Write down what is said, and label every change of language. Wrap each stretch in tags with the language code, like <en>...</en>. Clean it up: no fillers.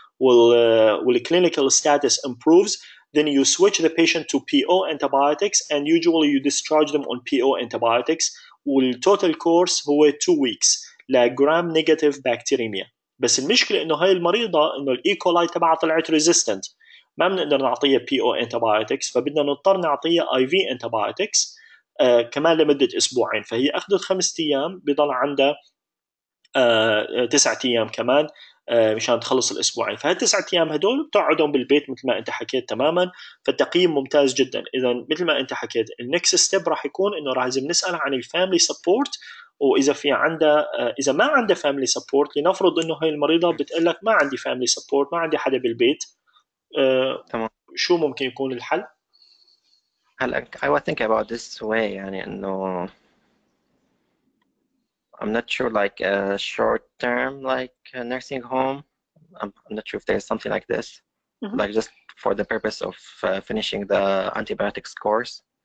<en>will clinical status improves, then you switch the patient to PO antibiotics, and usually you discharge them on PO antibiotics. Will total course</en> <ar>هو</ar> <en>2 weeks لgram negative bacteremia.</en> <ar>بس المشكلة إنه هاي المريضة إنه الإي كولاي تبعها طلعت resistant. ما بنقدر نعطيها PO antibiotics, فبدنا نضطر نعطيها IV antibiotics كمان لمدة أسبوعين. فهي أخذت 5 أيام بضل عندها 9 أيام كمان مشان تخلص الأسبوعين. فهالتسعة أيام هدول بتقعدهم بالبيت مثل ما أنت حكيت تماما. فالتقييم ممتاز جدا. إذا مثل ما أنت حكيت النكس ستيب راح يكون إنه راح لازم نسأل عن الفاميلي سبورت. وإذا في عنده إذا ما عنده فاميلي سبورت, لنفرض إنه هاي المريضة بتقلك ما عندي فاميلي سبورت, ما عندي حدا بالبيت, تمام, شو ممكن يكون الحل؟ هلا</ar> <en>I was thinking about this way,</en> <ar>يعني إنه</ar> <en>I'm not sure, like a short term, like a nursing home. I'm not sure if there's something like this, mm-hmm. like just for the purpose of finishing the antibiotics course.</en>